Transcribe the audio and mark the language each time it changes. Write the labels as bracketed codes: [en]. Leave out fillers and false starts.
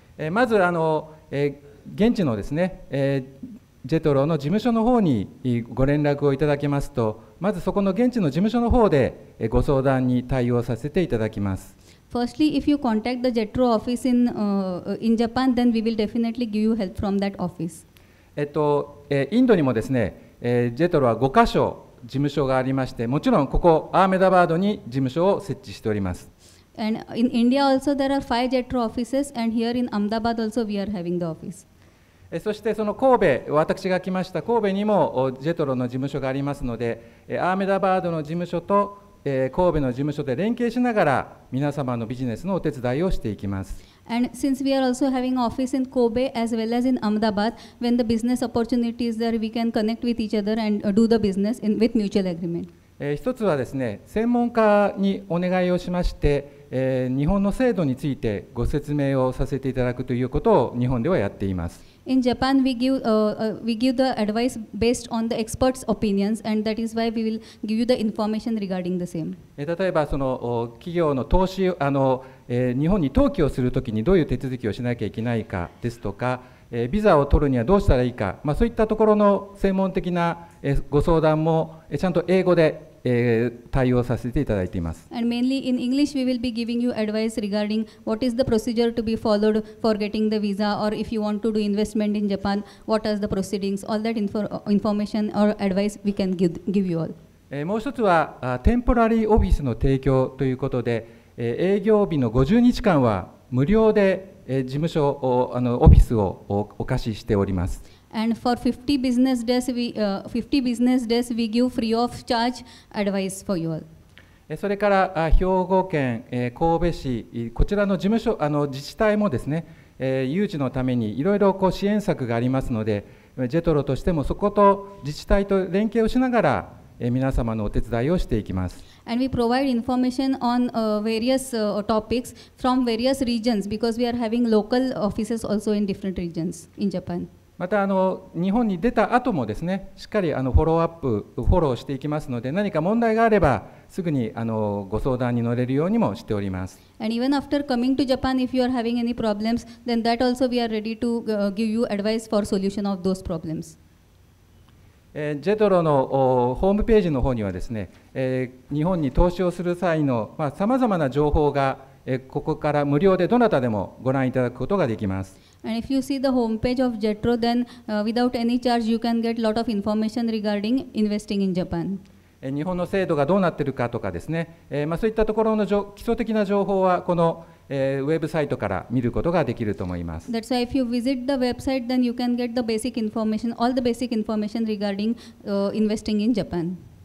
[ja] まず現地のですね、JETRO の事務所の方にご連絡をいただけますと、まずそこの現地の事務所の方で、ご相談に対応させていただきます。 [en] Firstly, if you contact the JETRO office in, in Japan, then we will definitely give you help from that office. [ja] インドにもですね、JETRO は5カ所事務所がありまして、もちろんここアーメダバードに事務所を設置しております。 [en] And in India also there are 5 JETRO offices, and here in Ahmedabad also we are having the office. [ja] そしてその神戸、私が来ました神戸にも JETRO の事務所がありますので、アーメダバードの事務所と神戸の事務所で連携しながら皆様のビジネスのお手伝いをしていきます。 [en] And since we are also having office in Kobe as well as in Ahmedabad, when the business opportunity is there, we can connect with each other and do the business in, with mutual agreement. [ja] 一つはですね、専門家にお願いをしまして、日本の制度についてご説明をさせていただくということを日本ではやっています。 [en] In Japan, we give the advice based on the experts' opinions, and that is why we will give you the information regarding the same. [ja] 例えばその企業の投資日本に投機をするときにどういう手続きをしなきゃいけないかですとか、ビザを取るにはどうしたらいいか、まあ、そういったところの専門的なご相談もちゃんと英語で対応させていただいています。 [en] And mainly in English, we will be giving you advice regarding what is the procedure to be followed for getting the visa, or if you want to do investment in Japan, what are the proceedings, all that information or advice we can give you all. [ja] もう一つは、 [en] temporary office [ja] の提供ということで、営業日の50日間は無料で事務所をオフィスをお貸ししております。 [en] And for 50 business days, we give free of charge advice for you all. [ja] それから兵庫県神戸市こちらの事務所自治体もですね、有事のためにいろいろこう支援策がありますので、JETRO としてもそこと自治体と連携をしながら皆様のお手伝いをしていきます。 [en] And we provide information on various topics from various regions because we are having local offices also in different regions in Japan. [ja] また日本に出た後もですね、しっかりフォローアップ、フォローしていきますので、何か問題があればすぐにご相談に乗れるようにもしております。 [en] And even after coming to Japan, if you are having any problems, then that also we are ready to give you advice for solution of those problems. [ja] JETRO のホームページの方にはですね、日本に投資をする際のさまざまな情報がここから無料でどなたでもご覧いただくことができます。 [en] And if you see the homepage of JETRO, then without any charge, you can get a lot of information regarding investing in Japan. [ja] 日本の制度がどうなっているかとかですね、そういったところの基礎的な情報はこのウェブサイトから見ることができると思います。 [en] That's why if you visit the website, then you can get the basic information, all the basic information regarding investing in Japan.